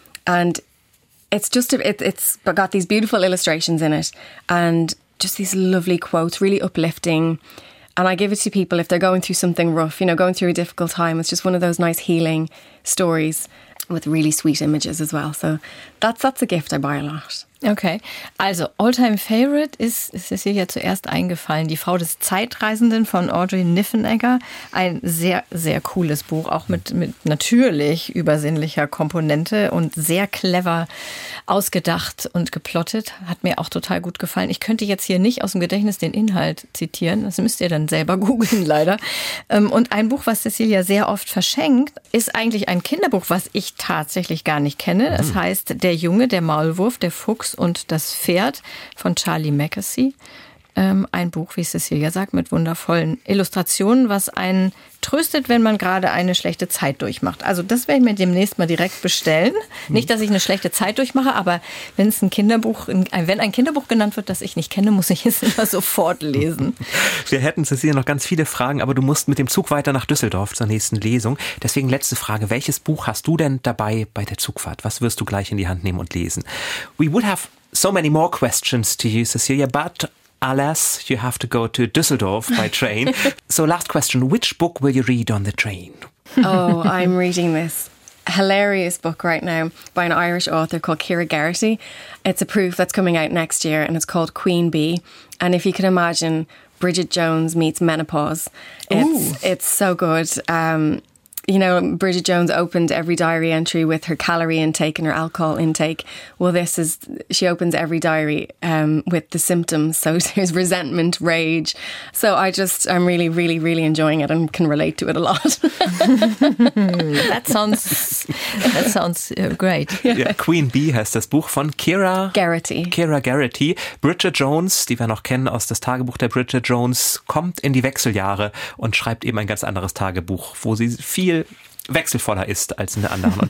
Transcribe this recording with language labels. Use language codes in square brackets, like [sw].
[en] And it's just it's got these beautiful illustrations in it and just these lovely quotes, really uplifting. And I give it to people if they're going through something rough, you know, going through a difficult time. It's just one of those nice healing stories with really sweet images as well. So that's a gift I buy a lot. [de] Okay, also all-time favorite ist es hier ja zuerst eingefallen, Die Frau des Zeitreisenden von Audrey Niffenegger. Ein sehr, sehr cooles Buch, auch mit natürlich übersinnlicher Komponente und sehr clever ausgedacht und geplottet. Hat mir auch total gut gefallen. Ich könnte jetzt hier nicht aus dem Gedächtnis den Inhalt zitieren, das müsst ihr dann selber googeln leider. Und ein Buch, was Cecilia sehr oft verschenkt, ist eigentlich ein Kinderbuch, was ich tatsächlich gar nicht kenne. Es heißt Der Junge, der Maulwurf, der Fuchs und das Pferd von Charlie Mackesy. Ein Buch, wie Cecilia sagt, mit wundervollen Illustrationen, was einen tröstet, wenn man gerade eine schlechte Zeit durchmacht. Also das werde ich mir demnächst mal direkt bestellen. Nicht, dass ich eine schlechte Zeit durchmache, aber wenn es ein Kinderbuch, wenn ein Kinderbuch genannt wird, das ich nicht kenne, muss ich es immer sofort lesen. Wir hätten, Cecilia, noch ganz viele Fragen, aber du musst mit dem Zug weiter nach Düsseldorf zur nächsten Lesung. Deswegen letzte Frage. Welches Buch hast du denn dabei bei der Zugfahrt? Was wirst du gleich in die Hand nehmen und lesen? [en] We would have so many more questions to you, Cecilia, but alas, you have to go to Düsseldorf by train. So last question, which book will you read on the train? Oh, I'm reading this hilarious book right now by an Irish author called Ciara Geraghty. It's a proof that's coming out next year and it's called Queen Bee. And if you can imagine, Bridget Jones meets menopause. It's so good. You know, Bridget Jones opened every diary entry with her calorie intake and her alcohol intake. Well, this is, she opens every diary with the symptoms. So there's resentment, rage. So I'm really, really, really enjoying it and can relate to it a lot. That sounds great. Yeah. [de] Queen Bee heißt das Buch von Ciara Geraghty. Ciara Geraghty. Bridget Jones, die wir noch kennen aus das Tagebuch der Bridget Jones, kommt in die Wechseljahre und schreibt eben ein ganz anderes Tagebuch, wo sie viel wechselvoller ist als in der anderen.